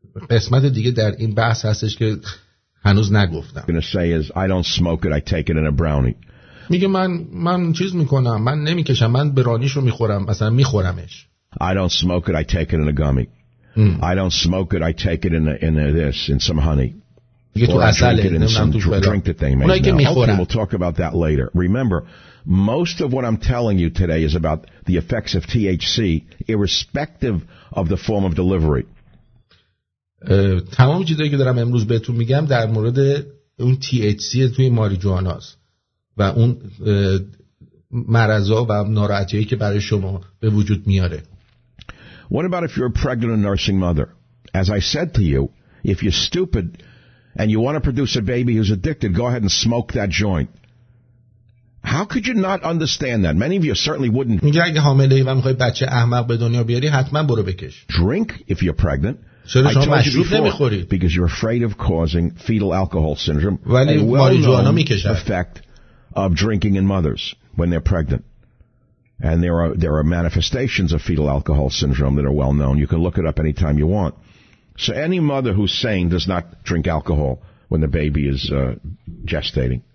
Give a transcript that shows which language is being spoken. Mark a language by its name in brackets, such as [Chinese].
[Persian] قسمت دیگه در این بحث هستش که هنوز نگفتم. [English] I'm going to say is I don't smoke it, I take it in a brownie. [Persian] میگه من چیز میکنم، من نمیکشم، من برانیشو میخورم، مثلا میخورمش. [English] I don't smoke it, I take it in a gummy. I don't smoke it, I take it in some honey. Or I drink it in some drink that they make. Okay, we'll talk about that later. Remember, most of what I'm telling you today is about the effects of THC, irrespective of the form of delivery. [Persian] تمام چیزایی که دارم امروز بهتون میگم در مورد اون THC توی ماریجوانا است و اون مرضا و ناراحتی که برای شما به وجود میاره. [English] What about if you're a pregnant nursing mother? As I said to you, if you're stupid and you want to produce a baby who's addicted, go ahead and smoke that joint. How could you not understand that? Many of you certainly wouldn't. [Persian] میگه اگه حامله ای و میخوای بچه احمق به دنیا بیاری حتما برو بکش. [English] Drink if you're pregnant. [Persian] چرا شما مشروب نمیخوری؟ [English] Because you're afraid of causing fetal alcohol syndrome. [Persian] ولی ماریجوانا میکشه. [English] Effect of drinking in mothers when they're pregnant. And there are manifestations of fetal alcohol syndrome that are well known. You can look it up anytime you want. So any mother who's sane does not drink alcohol when the baby is gestating.